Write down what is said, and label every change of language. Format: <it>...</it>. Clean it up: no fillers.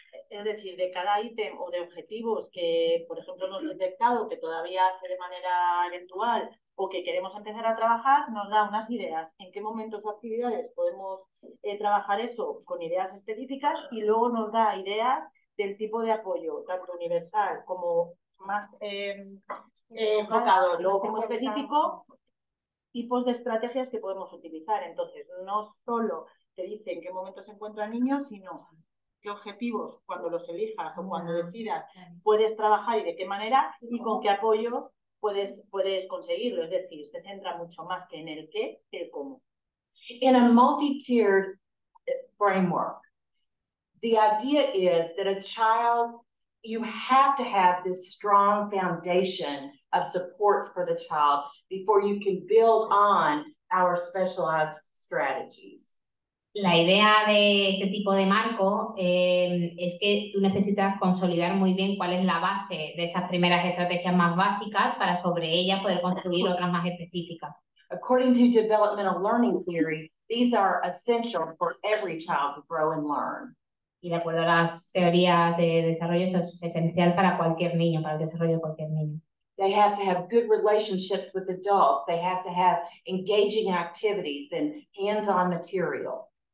<es>Es decir, de cada ítem o de objetivos que, por ejemplo, hemos detectado que todavía hace de manera eventual o que queremos empezar a trabajar, nos da unas ideas en qué momentos o actividades podemos trabajar eso con ideas específicas y luego nos da ideas del tipo de apoyo, tanto universal como más enfocado, luego como específico, tipos de estrategias que podemos utilizar. Entonces, no solo te dice en qué momento se encuentra el niño, sino qué objetivos, cuando los elijas o cuando decidas, puedes trabajar y de qué manera, y con qué apoyo puedes conseguirlo. Es decir, se centra mucho más que en el qué, que el cómo.</es> <en>In a multi-tiered framework, the idea is that a child, you have to have this strong foundation of supports for the child before you can build on our specialized strategies.</en> <es>La idea de este tipo de marco es que tú necesitas consolidar muy bien cuál es la base de esas primeras estrategias más básicas para sobre ellas poder construir otras más específicas.</es> <en>According to developmental learning theory, these are essential for every child to grow and learn.</en> <es>Y de acuerdo a las teorías de desarrollo, eso es esencial para cualquier niño, para el desarrollo de cualquier niño.</es> <en>They have to have good relationships with adults. They have to have engaging activities and hands-on material.</en>